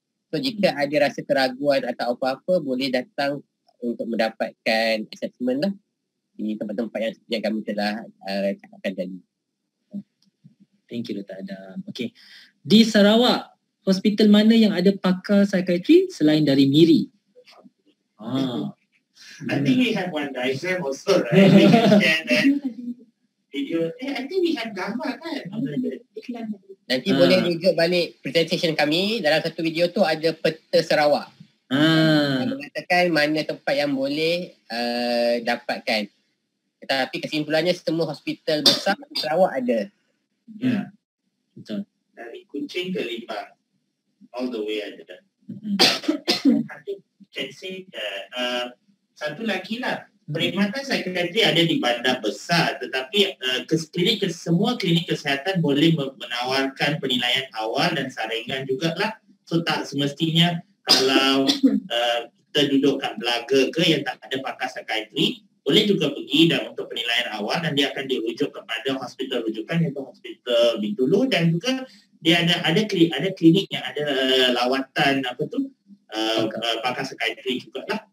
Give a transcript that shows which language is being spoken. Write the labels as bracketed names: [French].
[Malay] So, jika ada rasa keraguan atau apa-apa, boleh datang untuk mendapatkan assessment lah di tempat-tempat yang kami telah cakapkan tadi. [English] Thank you, Dr. Adam. Okay. [Malay] Di Sarawak, hospital mana yang ada pakar psikiatri selain dari Miri? [English] I think we have one diagram also, right? We can share that video. I think we have [Malay] gambar kan? Nanti boleh juga balik presentation kami. Dalam satu video tu ada peta Sarawak. Mengatakan mana tempat yang boleh dapatkan. Tapi kesimpulannya semua hospital besar di Sarawak ada. Betul. Dari Kuching ke Limbang, [English] all the way [Malay] ada. [English] I think can say that [Malay] satu lagi lah. perkhidmatan psikiatri ada di bandar besar, tetapi semua klinik kesihatan boleh menawarkan penilaian awal dan saringan jugalah. So tak semestinya kalau kita duduk kat belaga ke yang tak ada pakar psikiatri, boleh juga pergi dan untuk penilaian awal, dan dia akan dirujuk kepada hospital rujukan iaitu hospital Bintulu, dan juga dia ada klinik yang ada lawatan apa tu pakar psikiatri jugalah.